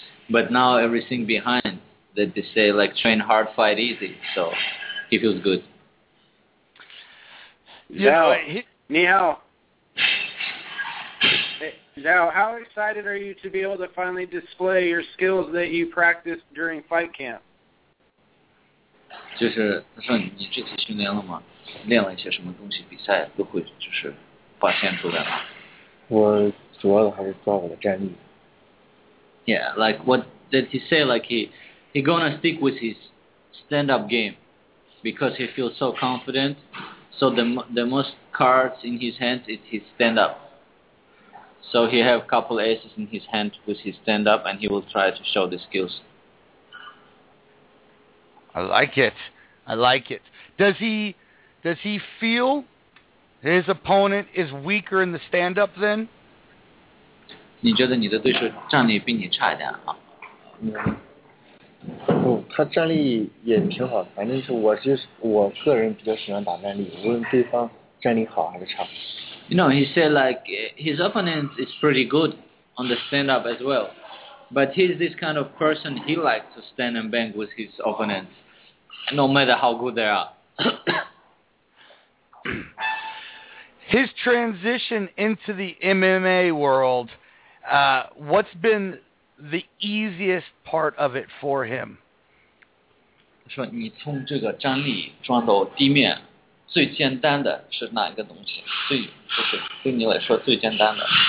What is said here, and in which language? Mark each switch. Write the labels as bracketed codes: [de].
[en] But now everything behind, that they say, like, train hard, fight easy. So he feels good. Niao. Niao, how excited are you to be able to finally display your skills that you practiced during fight camp? [zh] 就是他说你具体训练了吗？练了一些什么东西？比赛都会就是发现出来吗？我主要的还是抓我的站立。 [en] Yeah, like what did he say? Like he gonna stick with his stand up game because he feels so confident. So the most cards in his hand is his stand up. So he have a couple aces in his hand with his stand up, and he will try to show the skills. I like it. Does he feel his opponent is weaker in the stand up then? [zh] 你觉得你的对手战力比你差一点啊？他战力也挺好，反正是我个人比较喜欢打战力，无论对方战力好还是差。 [en] You know, he said like his opponent is pretty good on the stand up as well. But he's this kind of person, he likes to stand and bang with his opponents, no matter how good they are. His transition into the MMA world, what's been the easiest part of it for him? [zh] 说你从这个站立撞到地面，最简单的是哪一个东西？最就是对你来说最简单的。